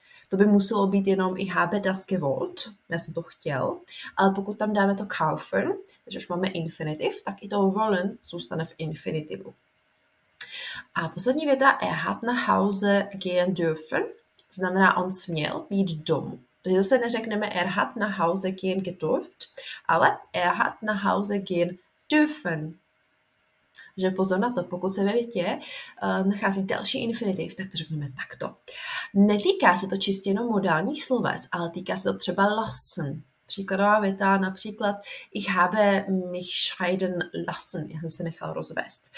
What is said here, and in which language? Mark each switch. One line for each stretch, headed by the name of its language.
Czech: To by muselo být jenom
German: ich habe das gewollt,
Czech: já jsem to chtěl, ale pokud tam dáme to kaufen, takže už máme infinitiv, tak i to wollen zůstane v infinitivu. A poslední věta,
German: er hat nach Hause gehen dürfen,
Czech: znamená on směl jít domů. Takže zase neřekneme
German: er hat nach Hause gehen gedurft,
Czech: ale
German: er hat nach Hause gehen dürfen.
Czech: Že pozor na to, pokud se ve větě nachází další infinitiv, tak to řekneme takto. Netýká se to čistě jenom modálních sloves, ale týká se to třeba lassen. Příkladová věta například
German: ich habe mich scheiden lassen,
Czech: já jsem se nechal rozvést.